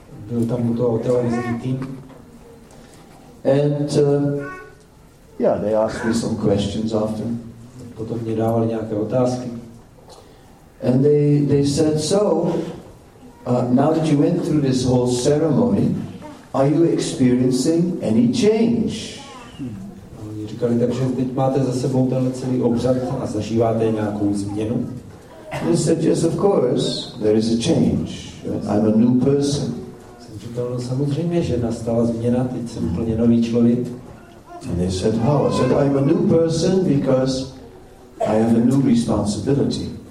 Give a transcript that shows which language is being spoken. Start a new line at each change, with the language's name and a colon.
Czech: Byl tam u toho televizní tým.
English: And they asked me some questions after.
Czech: Potom mě dávali nějaké otázky.
English: And they said, so, now that you went through this whole ceremony, are you experiencing any change?
Czech: Oni říkali, takže teď máte za sebou tenhle celý obřad a zažíváte nějakou změnu?
English: They said, yes, of course, there is a change. I'm a new person.
Czech: Jsem říkal, no samozřejmě, že nastala změna, teď jsem úplně nový člověk.
English: And they said, how? I said, I'm a new person because I have a new responsibility.